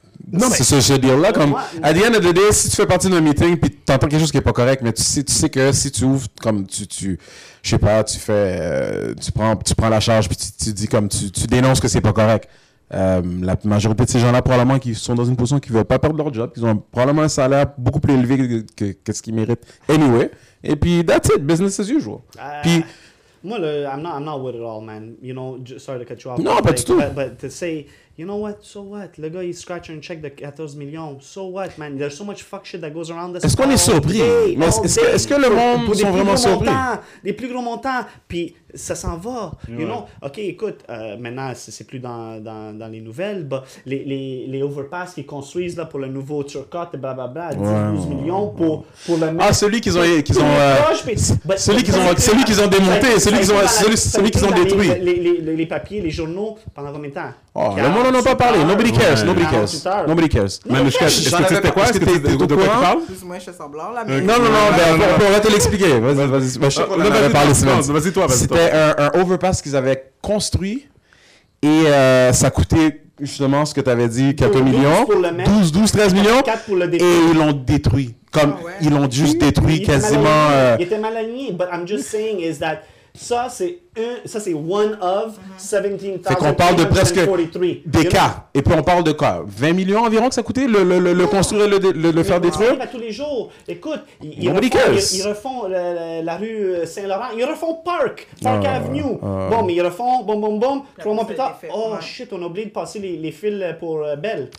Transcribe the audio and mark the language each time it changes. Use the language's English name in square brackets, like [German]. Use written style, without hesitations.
[French] Non, c'est ce deal-là. Comme, à [English] the end of the day, [French] si tu fais partie d'un meeting puis tu entends quelque chose qui n'est pas correct, mais tu sais que si tu ouvres, comme tu prends la charge puis tu dénonces que c'est pas correct. La majorité de ces gens-là, probablement, qui sont dans une position qui ne veulent pas perdre leur job, qui ont probablement un salaire beaucoup plus élevé que ce qu'ils méritent. [English] Anyway, et puis, that's it, business as usual. [French] Puis, moi, [English] I'm not with it all, man. You know, sorry to cut you off. [French] Non, pas du tout. [English] But to say, you know what, so what? [French] Le gars, il scratch un check de 14 millions. [English] So what, man? There's so much fuck shit that goes around this. [French] Est-ce qu'on est surpris? Est-ce que le monde est vraiment surpris? Des plus gros montants, puis ça s'en va. Ouais. [English] You know? [French] OK, écoute, maintenant, c'est plus dans les nouvelles, mais les overpass qu'ils construisent là, pour le nouveau Turcotte, blablabla, 10-12 millions pour le même. Ah, celui qu'ils ont... celui qu'ils ont démonté, celui qu'ils ont détruit. Les papiers, les journaux, pendant combien de temps? Oh, le monde n'en a pas parlé. [English] Nobody cares. Nobody cares. Nobody cares. [French] Mais est-ce que c'était quoi? Est-ce que c'était de quoi tu parles? Plus ou moins, je fais semblant. Non, non, non. On pourrait te l'expliquer. Vas-y. On en avait parlé. Vas-y toi. C'était un overpass qu'ils avaient construit et ça coûtait justement ce que tu avais dit, 4 millions. 12, 13 millions. Et ils l'ont détruit. Comme ils l'ont juste détruit quasiment. Il était mal aligné. [English] But I'm just saying is that [French] ça, c'est [English] one of 17,000. [French] Fait qu'on parle de presque des cas. Et puis, on parle de quoi? 20 millions environ que ça coûtait le construire et le faire détruire? Ça arrive à tous les jours. Écoute, ils refont la rue Saint-Laurent. Ils refont Park Avenue. Bon, mais ils refont, trois mois plus tard. Shit, on a oublié de passer les fils pour Belle.